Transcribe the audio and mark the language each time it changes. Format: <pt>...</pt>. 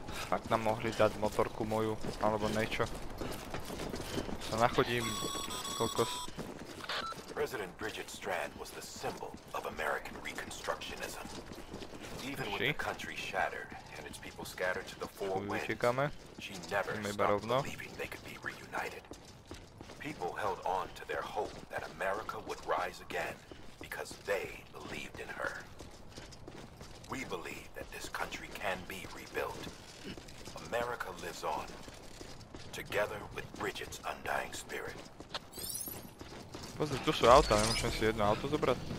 <sk>Fakt nám mohli dať motorku moju, alebo niečo. Sa nachodím, kokos.</sk> <en>President Bridget Strand was the symbol of American reconstructionism. Even with the country shattered and its people scattered to the four winds, she never stopped believing they could be reunited. People held on to their hope that America would rise again because they believed in her. We believe that this country can be rebuilt. America lives on, together with Bridget's undying spirit.</en> <sk>Pozri, tu sú auta, nemôžem si jedno auto zobrať.</sk>